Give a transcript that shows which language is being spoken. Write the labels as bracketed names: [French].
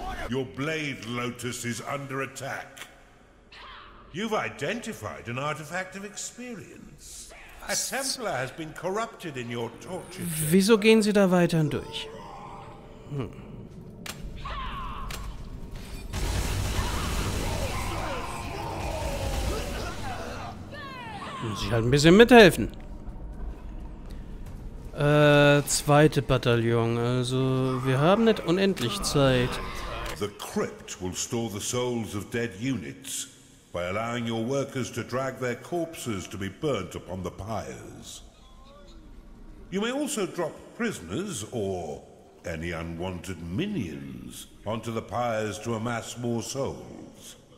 [English] Your blade, Lotus, is under attack. You've identified an artifact of experience. A Templar has been corrupted in your torture. [German] Wieso gehen sie da weiterhin durch? Muss ich halt ein bisschen mithelfen. Zweite Bataillon. Also, wir haben nicht unendlich Zeit. [English] The crypt will store the souls of dead units by allowing your workers to drag their corpses to be burnt upon the pyres. You may also drop prisoners or any unwanted minions onto the pyres to amass more souls.